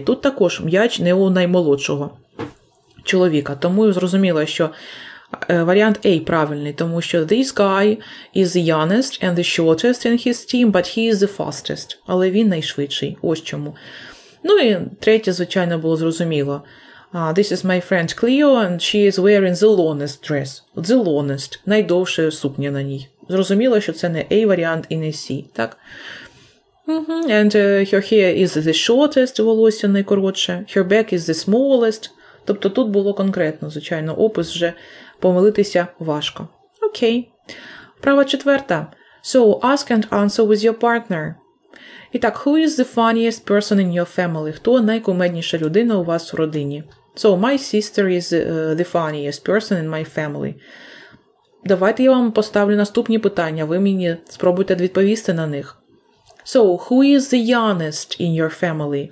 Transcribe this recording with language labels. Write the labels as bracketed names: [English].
[Ukrainian] Тут також м'яч не у наймолодшого чоловіка. Тому я зрозуміла, що варіант A правильний, тому що [English] this guy is the youngest and the shortest in his team, but he is the fastest. [Ukrainian] Але він найшвидший, ось чому. Ну і третє, звичайно, було зрозуміло. [English] This is my friend Cleo and she is wearing the longest dress. The longest, [Ukrainian] найдовша сукня на ній. Зрозуміло, що це не A варіант і не C, так? [English] Mm-hmm. And her hair is the shortest, [Ukrainian] волосся найкоротше. [English] Her back is the smallest. [Ukrainian] Тобто тут було конкретно, звичайно, опис вже помилитися важко. [English] Окей. Okay. [Ukrainian] Вправа четверта. [English] So, ask and answer with your partner. [Ukrainian] І так, [English] who is the funniest person in your family? [Ukrainian] Хто найкумедніша людина у вас в родині? [English] So, my sister is the funniest person in my family. [Ukrainian] Давайте я вам поставлю наступні питання, ви мені спробуйте відповісти на них. [English] So, who is the youngest in your family?